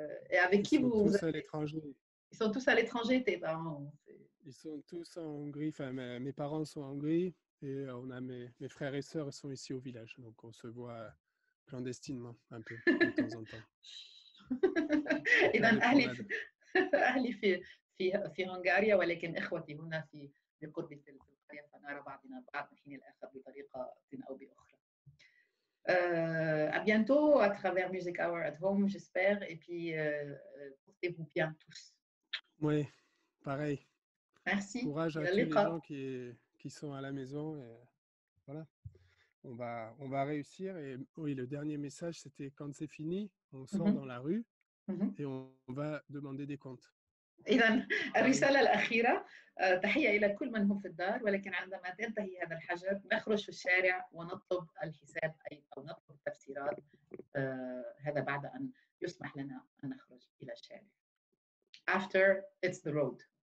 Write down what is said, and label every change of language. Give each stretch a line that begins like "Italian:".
French: Et avec qui vous. Ils sont tous à l'étranger. Ils sont tous à l'étranger, tes parents. Ils sont tous en Hongrie, enfin mes parents sont en Hongrie. Et on a mes frères et sœurs sont ici au village, donc on se voit clandestinement un peu de temps en temps. Et donc,
Arabic: ahli fi Hongrie,
French: mais les frères
Arabic: هنا في بقرب القرية فنرى بعضنا بعض حين الآخر بطريقة أو بأخرى.
French: À bientôt à travers Music Hour at Home, j'espère, et puis portez-vous bien tous. Oui, pareil. Merci. Courage à tous les gens qui sont à la maison, et voilà, on va réussir. Et oui, le dernier message, c'était quand c'est fini, on sort dans la rue et on va demander des comptes.
Arabic: إذن الرسالة الأخيرة تحية إلى كل من هم في الدار، ولكن عندما تنتهي هذا الحجر نخرج في الشارع ونطلب الحساب أو نطلب التفسيرات، هذا بعد أن يسمح لنا أن نخرج إلى الشارع.
English: After it's the road.